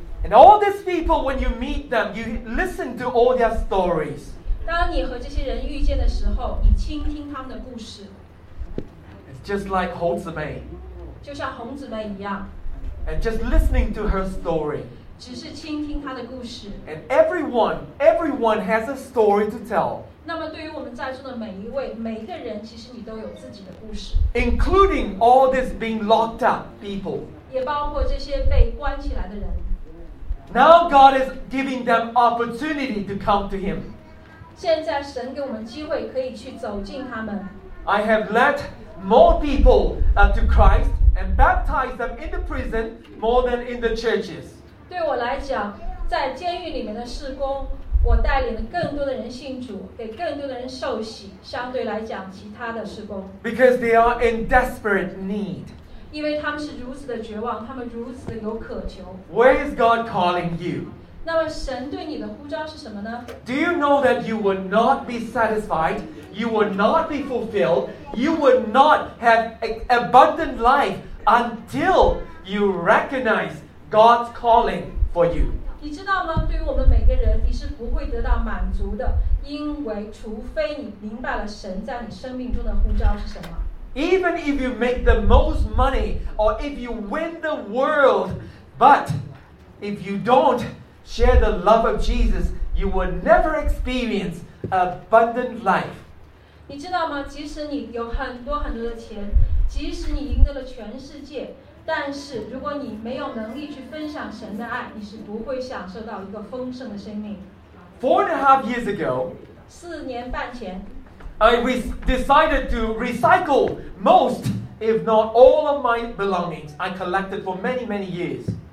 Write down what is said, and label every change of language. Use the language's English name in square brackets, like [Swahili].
[English] And all these people when you meet them you listen to all their stories [Chinese] 当你和这些人遇见的时候你倾听他们的故事 [English] It's just like 红姊妹 [Chinese] 就像红姊妹一样 [English] And just listening to her story [Chinese] 只是倾听她的故事 [English] And everyone has a story to tell [Chinese] 那么对于我们在座的每一位每一个人其实你都有自己的故事 [English] including all these being locked up people [Chinese] 也包括这些被关起来的人 [English] now God is giving them opportunity to come to him [Chinese] 现在神给我们机会可以去走进他们 [English] I have led more people to Christ and baptized them in the prison more than in the churches [Chinese] 对我来讲在监狱里面的事工我带领了更多的人信主，给更多的人受洗。相对来讲，其他的事工 [English] ，because they are in desperate need， [Chinese] 因为他们是如此的绝望，他们如此的有渴求。 [English] Where is God calling you？ [Chinese] 那么神对你的呼召是什么呢 [English] ？Do you know that you would not be satisfied, you would not be fulfilled, you would not have abundant life until you recognize God's calling for you？ [Chinese] 你知道吗？对于我们每个人，你是不会得到满足的，因为除非你明白了神在你生命中的呼召是什么。 [English] Even if you make the most money, or if you win the world, but if you don't share the love of Jesus, you will never experience abundant life. [Chinese] 你知道吗？即使你有很多很多的钱，即使你赢得了全世界。但是如果你没有能力去分享神的爱，你是不会享受到一个丰盛的生命。 [English] Four and a half years ago, [Chinese] 四年半前 [English] I decided to recycle most, if not all of my belongings I collected for many, many years.